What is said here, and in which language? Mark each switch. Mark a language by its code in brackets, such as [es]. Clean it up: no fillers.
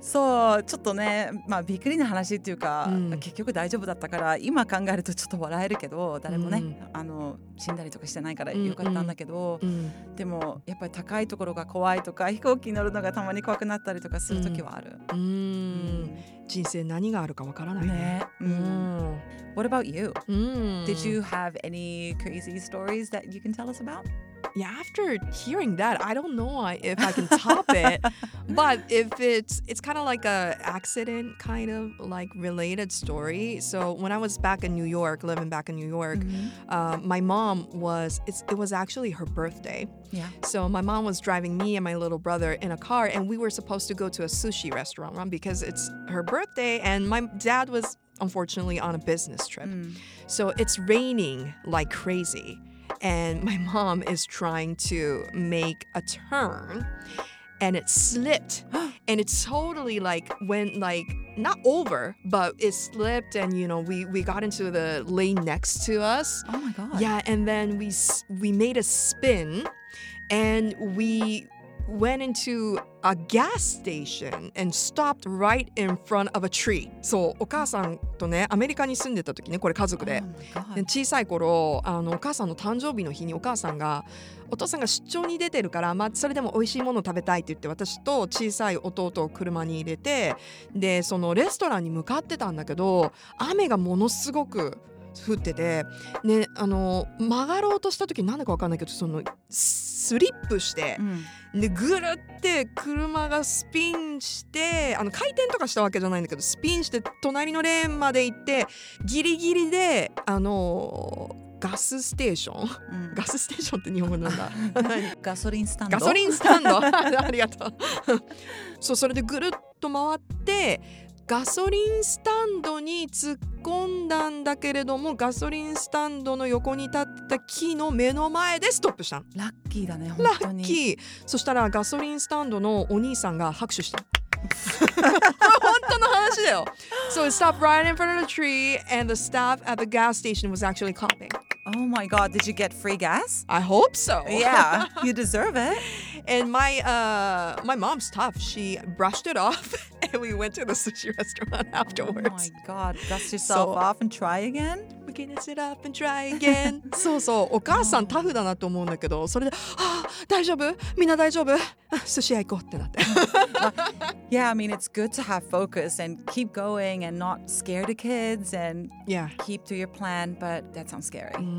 [ja] そう、ちょっとね、まあびっくりな話っていうか、うん、結局大丈夫だったから、今考えるとちょっと笑えるけど、誰もね、うん、死んだりとかしてないから良かったんだけど、うんうん、でもやっぱり高いところが怖いとか、飛行機乗るのがたまに怖くなったりとかする時はある。人生何があるかわからない ね、 [en] What about you?、Did you have any crazy stories that you can tell us about? Yeah, after hearing that, I don't know if I can top it. But if it's kind of like an accident kind of like related story. So when I was back in New York, living back in New York,、mm-hmm. My mom was, it was actually her birthday. Yeah. So my mom was driving me and my little brother in a car, and we were supposed to go to a sushi restaurant, right? Because it's her birthday, and my dad was unfortunately on a business trip.、Mm. So it's raining like crazy, and my mom is trying to make a turn, and it slipped. And it totally like went like, not over, but it slipped, and you know, we got into the lane next to us. Oh my God. Yeah, and then we made a spin. And we went into a gas station and stopped right in front of a tree. [ja] そう、お母さんとね、アメリカに住んでた時ね、これ家族で。 [en] Oh、my God. [ja] 小さい頃、お母さんの誕生日の日にお母さんが、お父さんが出張に出てるから、まあ、それでも美味しいものを食べたいって言って、私と小さい弟を車に入れて、で、そのレストランに向かってたんだけど、雨がものすごく降ってて、ね、曲がろうとした時に何だか分かんないけど、その、スリップして、うん、でぐるって車がスピンして、回転とかしたわけじゃないんだけど、スピンして隣のレーンまで行って、ギリギリでガスステーション、うん、ガスステーションって日本語なんだガソリンスタンドガソリンスタンドありがとうそう、それでぐるっと回ってガソリンスタンドに突っ込んだんだけれども、ガソリンスタンドの横に立った木の目の前でストップした。ラッキーだね、本当に。ラッキー。そしたらガソリンスタンドのお兄さんが拍手した本当の話だよ。 [en] So it stopped right in front of the tree, and the staff at the gas station was actually clapping. Oh my god, did you get free gas? I hope so. Yeah, you deserve it. And my mom's tough. She brushed it off, and we went to the sushi restaurant afterwards. Oh my god, dust yourself off and try again? We can dust it off and try again. [ja] そうそう、お母さん tough だなと思うんだけど、それで、大丈夫?みんな大丈夫?寿司屋行こうってなって。 [en] Yeah, I mean, it's good to have focus and keep going and not scare the kids and yeah. keep to your plan, but that sounds scary.